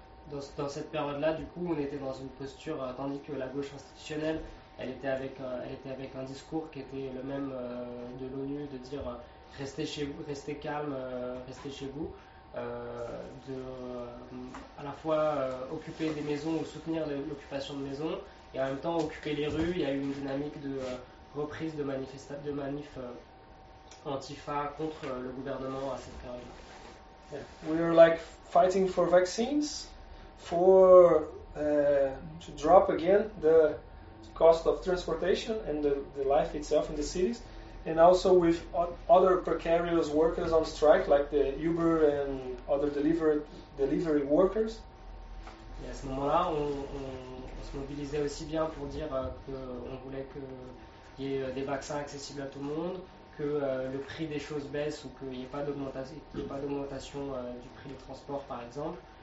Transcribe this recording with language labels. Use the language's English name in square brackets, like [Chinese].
[French] Dans cette période-là, du coup, on était dans une posture, tandis que la gauche institutionnelle, elle était avec un discours qui était le même de l'ONU, de dire restez chez vous, restez calme, restez chez vous, à la fois occuper des maisons ou soutenir l'occupation de maisons, et en même temps occuper les rues. Il y a eu une dynamique de reprise de manifs antifa contre le gouvernement à cette période-là. [English] We are like fighting for vaccines. To drop again the cost of transportation and the life itself in the cities, and also with other precarious workers on strike, like the Uber and other delivery workers. [French] Et à ce moment-là, on se mobilisait aussi bien pour dire qu'on voulait qu'il y ait des vaccins accessibles à tout le monde, que le prix des choses baisse ou qu'il n'y ait pas d'augmentation du prix des transports, par exemple.